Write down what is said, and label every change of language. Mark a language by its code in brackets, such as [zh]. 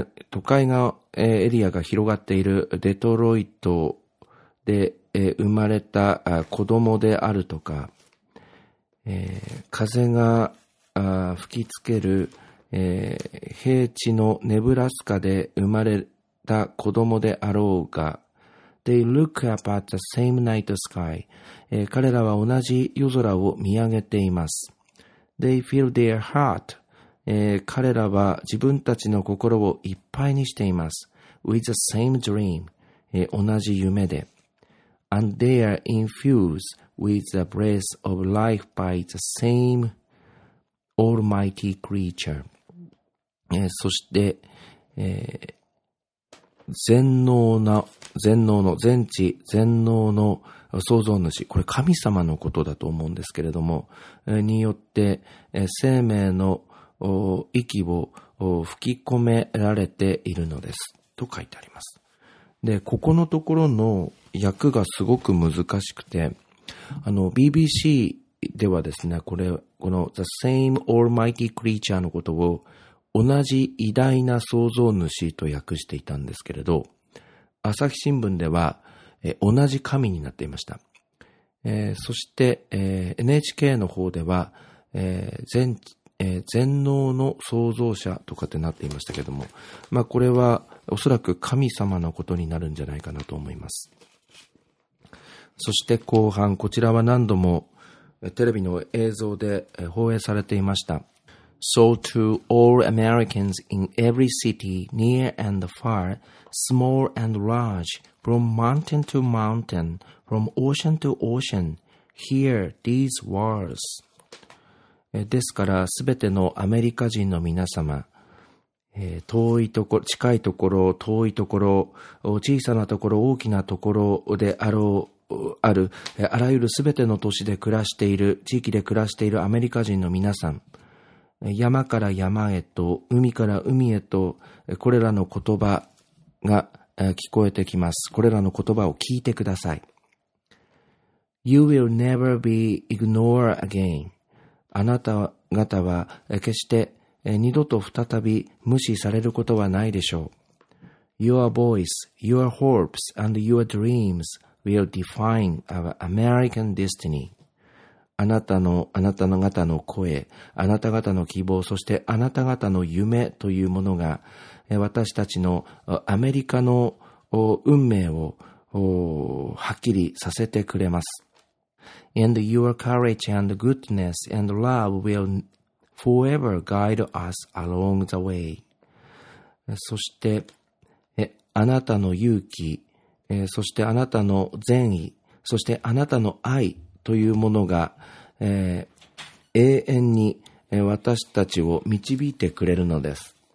[ja] 都会がエリアが広がっているデトロイトで生まれた子供であるとか、風が吹きつける平地のネブラスカで生まれた子供であろうが、 [en] They look up at the same night sky. [ja] 彼らは同じ夜空を見上げています。 [en] They feel their heart. [ja] 彼らは自分たちの心をいっぱいにしています。 [en] With the same dream,、 [ja] 同じ夢で。 [en] And they are infused with the breath of life by the same almighty creature.、 [ja] そして、全知全能の創造主、これ神様のことだと思うんですけれども、によって、生命の息を吹き込められているのですと書いてあります。で、ここのところの訳がすごく難しくて、BBC ではですね、これこの [en] The same almighty creature [ja] のことを同じ偉大な創造主と訳していたんですけれど、朝日新聞では同じ神になっていました。そして、NHK の方では、全能の創造者とかってなっていましたけども、まあこれはおそらく神様のことになるんじゃないかなと思います。そして後半、こちらは何度もテレビの映像で放映されていました。 [en] So to all Americans in every city, near and far, small and large, from mountain to mountain, from ocean to ocean, hear these words. [ja] ですからすべてのアメリカ人の皆様、遠いところ、近いところ、遠いところ、小さなところ、大きなところであろう、ある、あらゆるすべての都市で暮らしている、地域で暮らしているアメリカ人の皆さん、山から山へと、海から海へと、これらの言葉が聞こえてきます。これらの言葉を聞いてください。 [en] You will never be ignored again. [ja] あなた方は決して二度と再び無視されることはないでしょう。 [en] Your voice, your hopes, and your dreams will define our American destiny. [ja] あなたの声、あなた方の希望、そしてあなた方の夢というものが私たちのアメリカの運命をはっきりさせてくれます。 [en] And your courage and goodness and love will forever guide us along the way. [ja] そしてあなたの勇気、そしてあなたの善意、そしてあなたの愛というものが、永遠に私たちを導いてくれるのです。